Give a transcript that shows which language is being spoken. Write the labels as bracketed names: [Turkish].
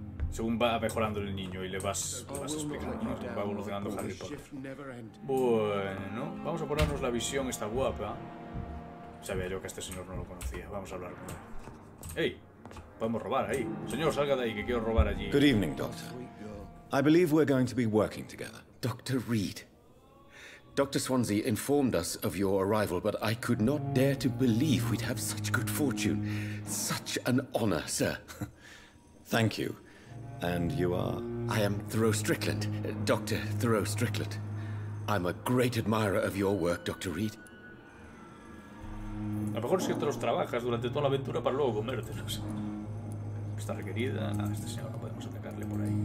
[Spanish] Según va mejorando el niño y le vas explicando, ¿no? Va evolucionando Harry Potter. Bueno, vamos a ponernos la visión esta guapa. Sabía yo que este señor no lo conocía. Vamos a hablar con él. ¡Ey! Podemos robar ahí. Señor, salga de ahí, que quiero robar allí. [English] Good evening, Doctor. I believe we're going to be working together. Dr. Reed. Dr. Swansea informed us of your arrival, but I could not dare to believe we'd have such good fortune. Such an honor, sir. Thank you. And you are? I am Thoreau Strickland. Dr. Thoreau Strickland. I'm a great admirer of your work, Dr. Reed. [Spanish] A lo mejor si te los trabajas durante toda la aventura para luego comértelos. Está requerida. A este señor no podemos atacarle por ahí.